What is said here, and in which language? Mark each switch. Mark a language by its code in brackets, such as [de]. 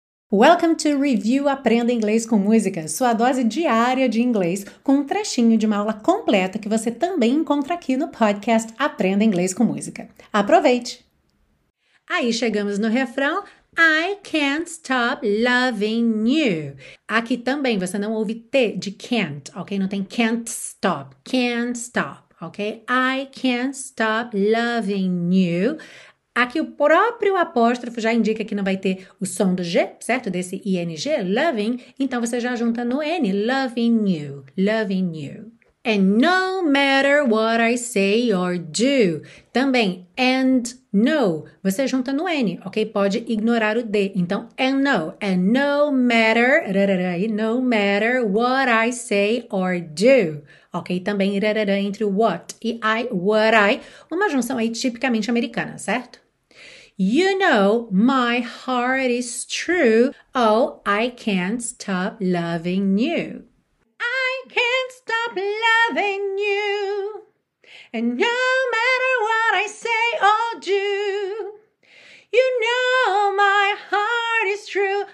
[pt] Welcome to Review Aprenda Inglês com Música, sua dose diária de inglês, com um trechinho de uma aula completa que você também encontra aqui no podcast Aprenda Inglês com Música. Aproveite! Aí chegamos no refrão, [en] I can't stop loving you. [pt] Aqui também você não ouve T de can't, ok? Não tem can't stop, ok? [en] I can't stop loving you. [pt] Aqui o próprio apóstrofo já indica que não vai ter o som do G, certo? Desse ing, loving. Então você já junta no N, [en] loving you, loving you. And no matter what I say or do. [pt] Também, and no, você junta no N, ok? Pode ignorar o D. Então, and no. [en] And no matter, no matter what I say or do. Ok? [pt] Também, entre what e I, what I. Uma junção aí tipicamente americana, certo? [en] You know my heart is true. Oh, I can't stop loving you. Loving you, and no matter what I say or do, you know my heart is true.